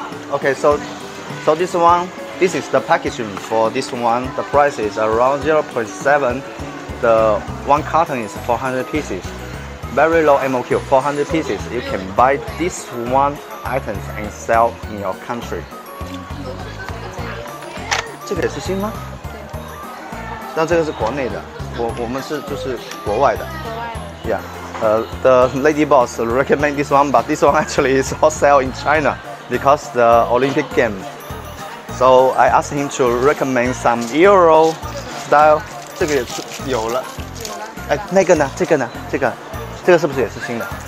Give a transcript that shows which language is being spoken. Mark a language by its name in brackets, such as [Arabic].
[English] Okay, so this one, this is the packaging for this one. The price is around 0.7. The one carton is 400 pieces. Very low MOQ, 400 pieces. You can buy this one items and sell in your country. [Chinese] 这个也是新吗？那这个是国内的，我们是就是国外的。 [English] Yeah, the lady boss recommend this one, but this one actually is wholesale in China because the Olympic game. So I asked him to recommend some Euro style. [Chinese] 这个也是有了。有了。哎，那个呢？这个呢？这个是不是也是新的？